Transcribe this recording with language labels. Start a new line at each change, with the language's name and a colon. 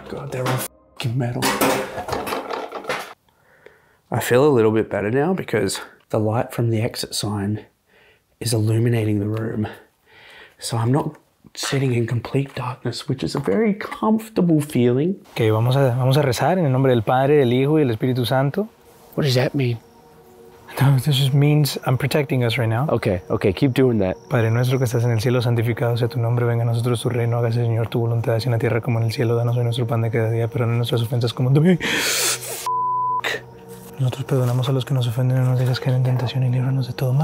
English: They're all fucking metal. I feel a little bit better now because the light from the exit sign is illuminating the room. So I'm not sitting in complete darkness, which is a very comfortable feeling.
Spanish: Okay, vamos a rezar en el nombre del Padre, del Hijo y del Espíritu Santo.
English: What does that mean? No, this just means I'm protecting us right now. Okay, keep doing that.
Spanish: Padre nuestro que estás en el cielo, santificado sea tu nombre, venga a nosotros tu reino, hágase Señor tu voluntad, así en la tierra como en el cielo, danos hoy nuestro pan de cada día, perdona nuestras ofensas como también.
English: F**k.
Spanish: Nosotros perdonamos a los que nos ofenden, no nos dejas caer en tentación y líbranos de todo mal.